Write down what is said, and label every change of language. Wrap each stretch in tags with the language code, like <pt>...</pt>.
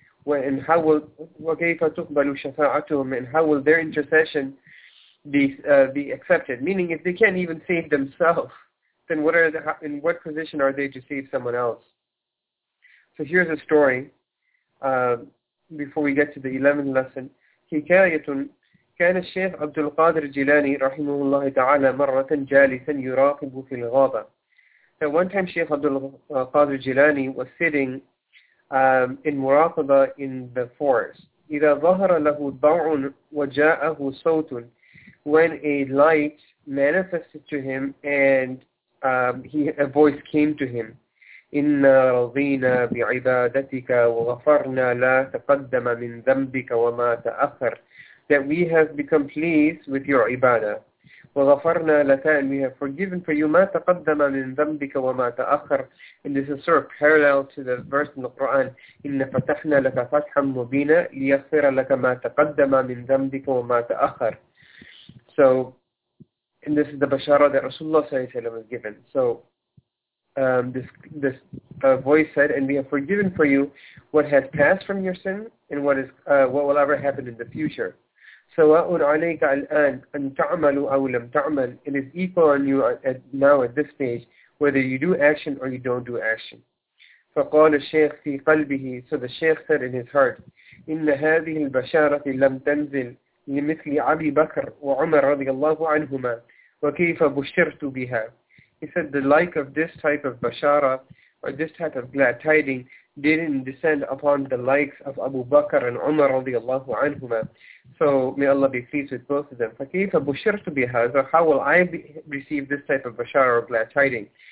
<en>And how will,</en> <ar>وَكَيْفَ تُقْبَلُ شَفَاعَتُهُمْ,</ar> <en>and how will their intercession be accepted? Meaning, if they can't even save themselves, then in what position are they to save someone else? So here's a story, before we get to the 11th lesson.</en> <ar>حِكَايَةٌ. كان الشيخ عبد القادر الجيلاني رحمه الله تعالى مرة جالسا يراقب في الغابة.</ar> <en>So one time Sheikh Abdul Qadir Jilani was sitting in Muraqaba in the forest.</en> <ar>إذا ظهر له ضوء وجاءه صوت,</ar> <en>when a light manifested to him and a voice came to him.</en> <ar>إنا رضينا بعبادتك وغفرنا لا تقدم من ذنبك وما تأخر.</ar> <en>That we have become pleased with your ibadah.</en> <ar>وَغَفَرْنَا لَكَ,</ar> <en>and we have forgiven for you.</en> <ar>مَا تَقَدَّمَ مِنْ ذَنْبِكَ وَمَا تَأَخَّرَ.</ar> <en>And this is sort of parallel to the verse in the Quran.</en> <ar>إِنَّ فَتَحْنَا لَكَ فَتْحًا مُبِينًا لِيَغْفِرَ لَكَ مَا تَقَدَّمَ مِنْ ذَنْبِكَ وَمَا تَأَخَّرَ.</ar> <en>So, and this is the bashara that Rasulullah صلى الله عليه وسلم has given. So, this voice said, and we have forgiven for you what has passed from your sin and what is what will ever happen in the future.</en> <ar>سواء عليك الآن أن تعمل أو لم تعمل.</ar> <en>It is equal on you now at this stage whether you do action or you don't do action.</en> <ar>فقال الشيخ في قلبه.</ar> <en>So the Shaykh said in his heart,</en> <ar>إن هذه البشارة لم تنزل لمثل أبي بكر وعمر رضي الله عنهما وكيف بشرت بها.</ar> <en>He said the like of this type of bashara or this type of glad tidings didn't descend upon the likes of Abu Bakr and Umar radiallahu anhuma. So may Allah be pleased with both of them.</en> <ar>فَكَيْفَ بُشِرْتُ بِهَا,</ar> <en>so how will I receive this type of bashara or glad tidings?</en>